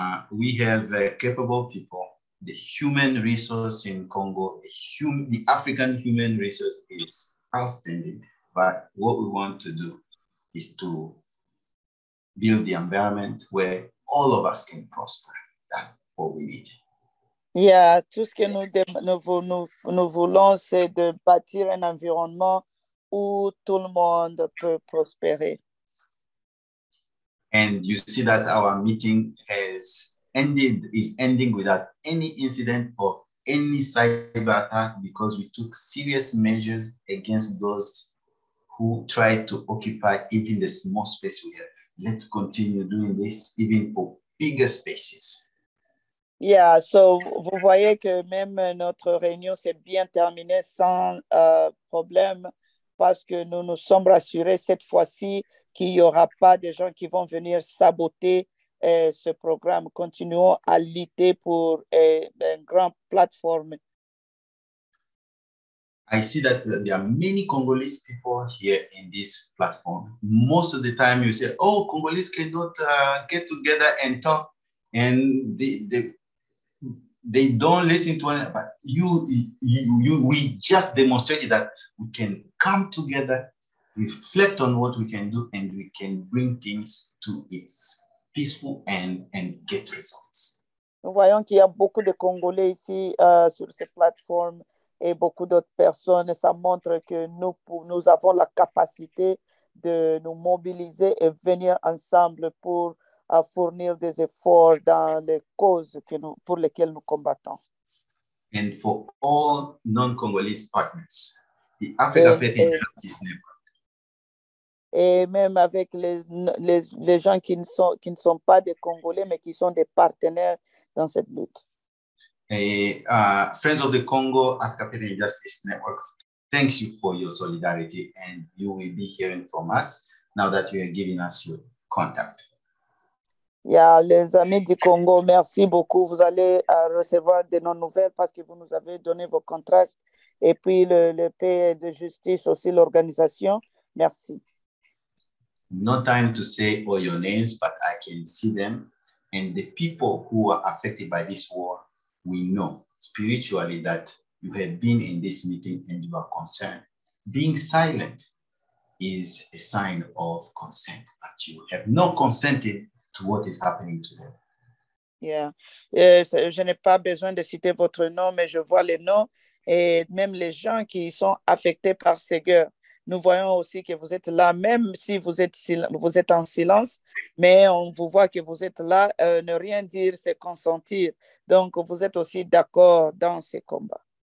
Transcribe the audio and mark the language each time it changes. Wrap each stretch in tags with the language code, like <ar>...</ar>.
<en>We have capable people. The human resource in Congo, the African human resource is outstanding. But what we want to do is to build the environment where all of us can prosper. That's what we need.</en> <fr>Yeah, tout ce que nous voulons, c'est de bâtir un environnement où tout le monde peut prospérer.</fr> <en>And you see that our meeting is ending without any incident or any cyber attack because we took serious measures against those who tried to occupy even the small space we have. Let's continue doing this even for bigger spaces.</en> <fr>Yeah, so vous voyez que même notre réunion s'est bien terminée sans problème parce que nous nous sommes rassurés cette fois-ci qu'il n'y aura pas de gens qui vont venir saboter ce programme. Continuons à lutter pour une grande plateforme.</fr> <en>I see that there are many Congolese people here in this platform. Most of the time you say, oh, Congolese cannot get together and talk. And they don't listen to anything, but we just demonstrated that we can come together, reflect on what we can do, and we can bring things to its peaceful end and get results.</en> <fr>Nous voyons qu'il y a beaucoup de Congolais ici sur ces plateformes et beaucoup d'autres personnes. Ça montre que nous avons la capacité de nous mobiliser et venir ensemble pour à fournir des efforts dans les causes pour lesquelles nous combattons.</fr> <en>And for all non-Congolese partners, the Africa Faith and Justice Network.</en> <fr>Et même avec les gens qui ne sont pas des Congolais, mais qui sont des partenaires dans cette lutte.</fr> <en>Friends of the Congo, Africa Faith and Justice Network, thank you for your solidarity and you will be hearing from us now that you are giving us your contact.</en> <fr>Yeah, les amis du Congo, merci beaucoup. Vous allez recevoir de nos nouvelles parce que vous nous avez donné vos contrats. Et puis le pays de justice aussi, l'organisation. Merci.</fr> <en>No time to say all your names, but I can see them. And the people who are affected by this war, we know spiritually that you have been in this meeting and you are concerned. Being silent is a sign of consent, but you have not consented to what is happening to them. Yeah.</en> <fr>Je n'ai pas besoin de citer votre nom, mais je vois les noms et même les gens qui sont affectés par ces guerres. Nous voyons aussi que vous êtes là, même si vous êtes en silence, mais on vous voit que vous êtes là. Ne rien dire, c'est consentir. Donc, vous êtes aussi d'accord dans ces combats.</fr>